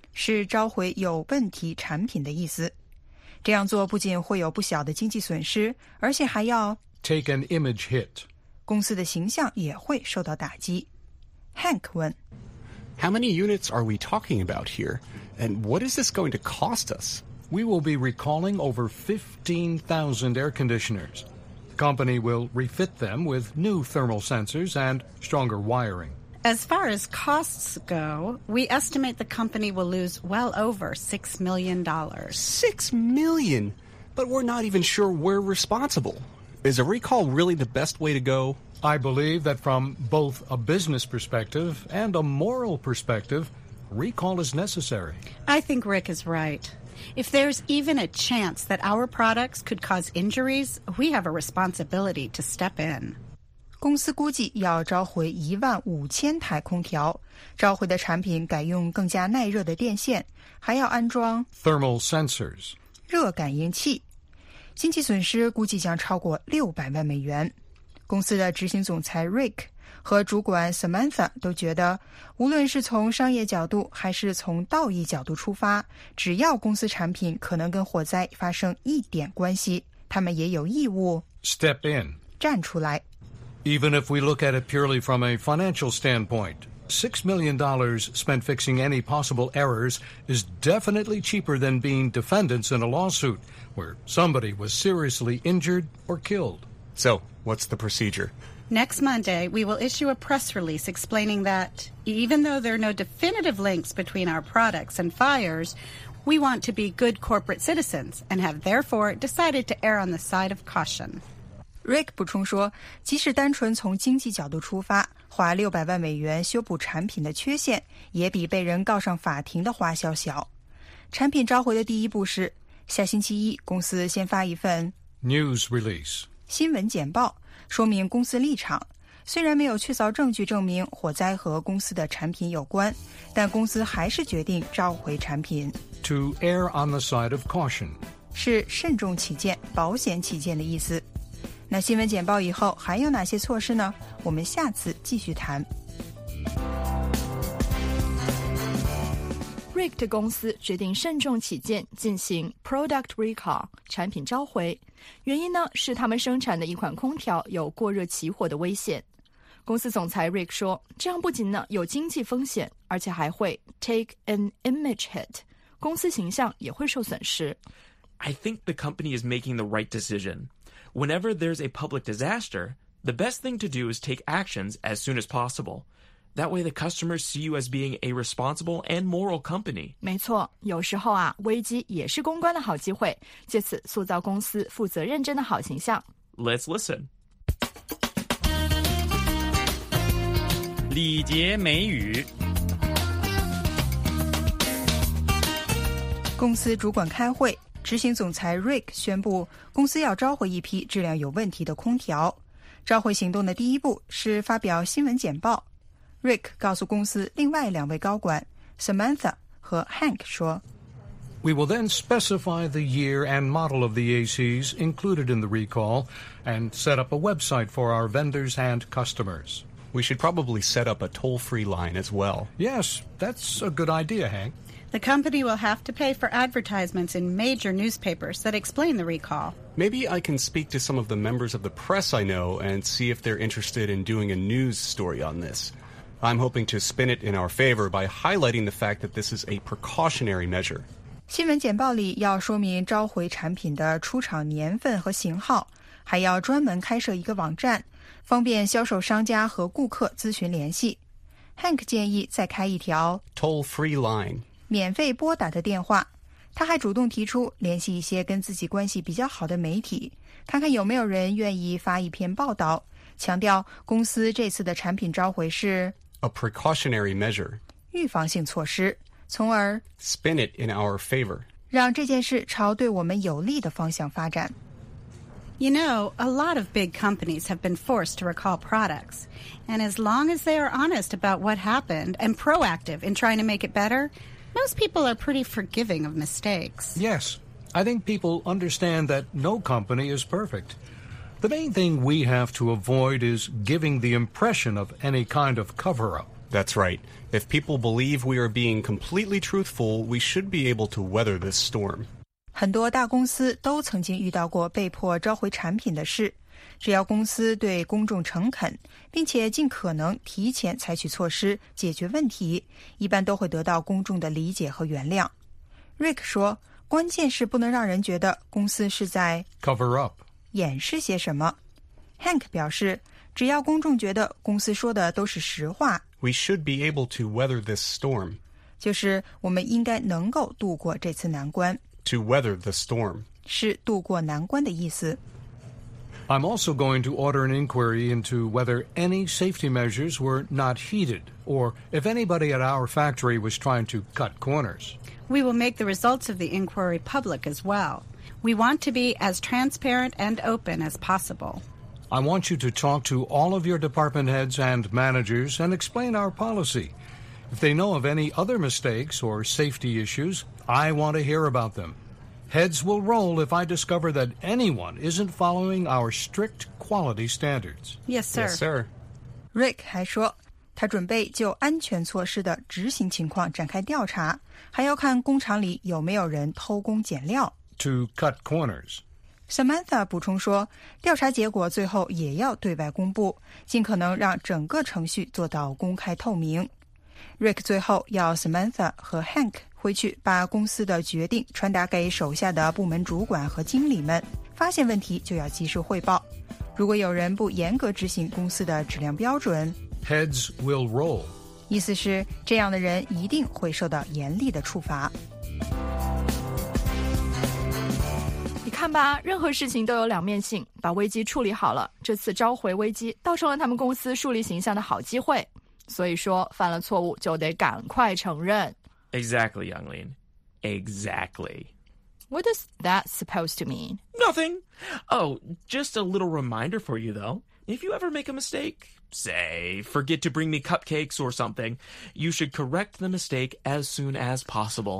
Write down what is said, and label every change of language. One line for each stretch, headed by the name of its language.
Chinese: 是召回有问题产品的意思。这样做不仅会有不小的经济损失，而且还要
English: take an image hit，
Chinese: 公司的形象也会受到打击。 Hank 问，
English: How many units are we talking about here? And what is this going to cost us? We will be recalling over 15,000 air conditioners. The company will refit them with new thermal sensors and stronger wiring. As far as costs go, we estimate the company will lose well over $6 million. $6 million? But we're not even sure we're responsible. Is a recall really the best way to go? I believe that from both a business perspective and a moral perspective, recall is necessary. I think Rick is right. If there's even a chance that our products could cause injuries, we have a responsibility to step in.
Chinese: 公司估计要召回15,000台空调，召回的产品改用更加耐热的电线，还要安装
English: thermal sensors
Chinese: 热感应器。经济损失估计将超过600万美元。公司的执行总裁 Rick 和主管 Samantha 都觉得，无论是从商业角度还是从道义角度出发，只要公司产品可能跟火灾发生一点关系，他们也有义务
English: step in
Chinese: 站出来。
English: Even if we look at it purely from a financial standpoint, $6 million spent fixing any possible errors is definitely cheaper than being defendants in a lawsuit where somebody was seriously injured or killed. So, what's the procedure? Next Monday, we will issue a press release explaining that even though there are no definitive links between our products and fires, we want to be good corporate citizens and have therefore decided to err on the side of caution.
Chinese: Rick 补充说，即使单纯从经济角度出发，花600万美元修补产品的缺陷，也比被人告上法庭的花销小。产品召回的第一步是，下星期一公司先发一份
English: news release
Chinese: 新闻简报，说明公司立场。虽然没有确凿证据证明火灾和公司的产品有关，但公司还是决定召回产品。
English: To err on the side of caution
Chinese: 是慎重起见、保险起见的意思。那新闻简报以后还有哪些措施呢？我们下次继续谈。 Rick 的公司决定慎重起见，进行 product recall 产品召回，原因呢是他们生产的一款空调有过热起火的危险。公司总裁 Rick 说，这样不仅呢有经济风险，而且还会
English: take an image hit，
Chinese: 公司形象也会受损失。
English: I think the company is making the right decision. Whenever there's a public disaster, the best thing to do is take actions as soon as possible. That way the customers see you as being a responsible and moral company.
Chinese: 没错，有时候啊，危机也是公关的好机会，借此塑造公司负责认真的好形象。
English: Let's listen.
Chinese: 礼节美语。公司主管开会。执行总裁 Rick 宣布公司要召回一批质量有问题的空调。召回行动的第一步是发表新闻简报。Rick 告诉公司另外两位高管 Samantha 和 Hank 说
English: We will then specify the year and model of the ACs included in the recall and set up a website for our vendors and customers. We should probably set up a toll-free line as well. Yes, that's a good idea, Hank. The company will have to pay for advertisements in major newspapers that explain the recall. Maybe I can speak to some of the members of the press I know and see if they're interested in doing a news story on this. I'm hoping to spin it in our favor by highlighting the fact that this is a precautionary measure.
Chinese: 新闻简报里要说明召回产品的出厂年份和型号，还要专门开设一个网站，方便销售商家和顾客咨询联系。 Hank 建议再开一条
English: toll-free line.
Chinese: 免费拨打的电话，他还主动提出联系一些跟自己关系比较好的媒体，看看有没有人愿意发一篇报道，强调公司这次的产品召回是
English: a precautionary measure，
Chinese: 预防性措施，从而
English: spin it in our favor，
Chinese: 让这件事朝对我们有利的方向发展。
English: You know, a lot of big companies have been forced to recall products. And as long as they are honest about what happened and proactive in trying to make it better,Most people are pretty forgiving of mistakes. Yes, I think people understand that no company is perfect. The main thing we have to avoid is giving the impression of any kind of cover-up. That's right. If people believe we are being completely truthful, we should be able to weather this storm.
Chinese: 很多大公司都曾经遇到过被迫召回产品的事。只要公司对公众诚恳，并且尽可能提前采取措施解决问题，一般都会得到公众的理解和原谅。 Rick 说，关键是不能让人觉得公司是在 cover up 掩饰些什么。 Hank 表示，只要公众觉得公司说的都是实话
English: ，We should be able to weather this storm，
Chinese: 就是我们应该能够度过这次难关。
English: To weather the storm
Chinese: 是度过难关的意思。
English: I'm also going to order an inquiry into whether any safety measures were not heeded, or if anybody at our factory was trying to cut corners. We will make the results of the inquiry public as well. We want to be as transparent and open as possible. I want you to talk to all of your department heads and managers and explain our policy. If they know of any other mistakes or safety issues, I want to hear about them. Heads will roll if I discover that anyone isn't following our strict quality standards. Yes, sir. Yes, sir.
Chinese: Rick 还说，他准备就安全措施的执行情况展开调查，还要看工厂里有没有人偷工减料。
English: To cut corners.
Chinese: Samantha 补充说，调查结果最后也要对外公布，尽可能让整个程序做到公开透明。 Rick 最后要 Samantha 和 Hank回去把公司的决定传达给手下的部门主管和经理们，发现问题就要及时汇报。如果有人不严格执行公司的质量标准
English: ，Heads will roll，
Chinese: 意思是这样的人一定会受到严厉的处罚。你看吧，任何事情都有两面性，把危机处理好了，这次召回危机倒成了他们公司树立形象的好机会。所以说，犯了错误就得赶快承认。
English: Exactly, Younglin. Exactly. What is that supposed to mean? Nothing. Oh, just a little reminder for you, though. If you ever make a mistake, say, forget to bring me cupcakes or something, you should correct the mistake as soon as possible.